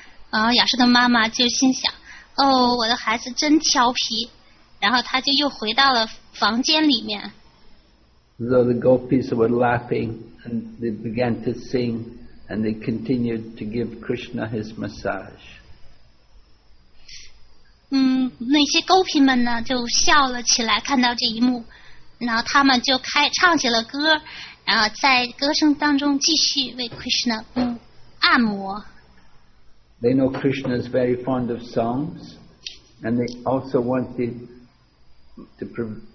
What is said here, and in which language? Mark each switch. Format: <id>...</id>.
<zh>然后亚瑟的妈妈就心想，哦，我的孩子真调皮，然后他就又回到了房间里面。</zh> <en>So the gopis were laughing and they began to sing and they continued to give Krishna his massage.</en> <zh>那些勾皮们呢就笑了起来，看到这一幕，然后他们就开唱起了歌，然后在歌声当中继续为 Krishna 按摩。</zh> <en>They know Krishna is very fond of songs, and they also wanted to.</en>